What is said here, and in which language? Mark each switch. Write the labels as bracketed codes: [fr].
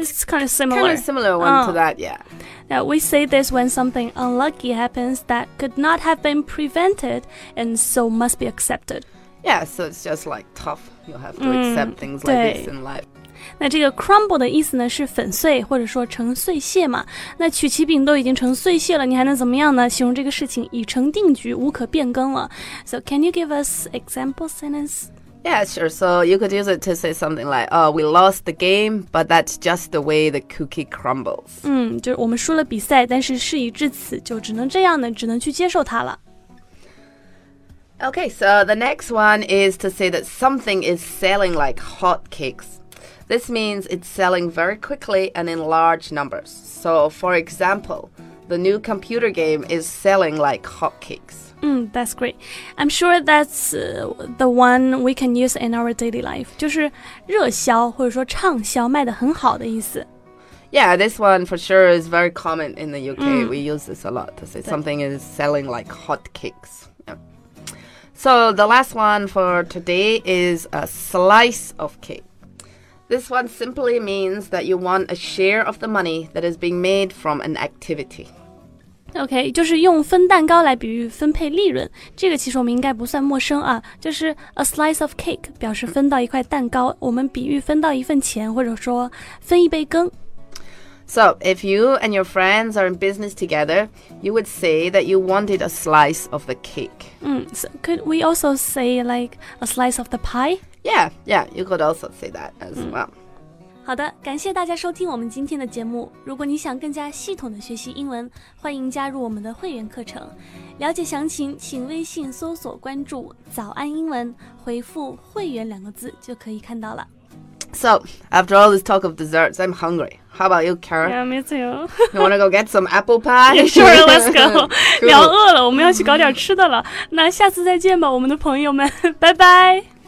[en] it's kind of similar. Kind of similar one to that, yeah. Now, we say this when something unlucky happens that could not have been prevented and so must be accepted. Yeah, so it's just like tough. You'll have to accept things like this in life. [zh] 那这个 crumble 的意思呢是粉碎或者说成碎屑嘛。那曲奇饼都已经成碎屑了，你还能怎么样呢？形容这个事情已成定局，无可变更了。 [en] So can you give us example sentence? Yeah, sure. So you could use it to say something like, oh, we lost the game, but that's just the way the cookie crumbles. [zh] 就是我们输了比赛，但是事已至此，就只能这样呢，只能去接受它了。 [en] Okay, so the next one is to say that something is selling like hotcakes. This means it's selling very quickly and in large numbers. So, for example, the new computer game is selling like hotcakes. That's great. I'm sure that's the one we can use in our daily life. [zh] 就是热销或者说畅销卖得很好的意思。 [en] Yeah, this one for sure is very common in the UK. We use this a lot to say something is selling like hotcakes. So the last one for today is a slice of cake. This one simply means that you want a share of the money that is being made from an activity. [zh] Okay, 就是用分蛋糕来比喻分配利润。这个其实我们应该不算陌生啊。就是 [en] a slice of cake [zh] 表示分到一块蛋糕。我们比喻分到一份钱或者说分一杯羹。 [en] So if you and your friends are in business together, you would say that you wanted a slice of the cake. So could we also say like a slice of the pie? Yeah, you could also say that as well. [zh] 好的，感谢大家收听我们今天的节目。如果你想更加系统的学习英文，欢迎加入我们的会员课程。了解详情，请微信搜索关注早安英文，回复会员两个字就可以看到了。 [en] So, after all this talk of desserts, I'm hungry. How about you, Kara? Yeah, me too. You want to go get some apple pie? Yeah, sure, let's go. [zh] 聊饿了，我们要去搞点吃的了。那下次再见吧，我们的朋友们，拜拜。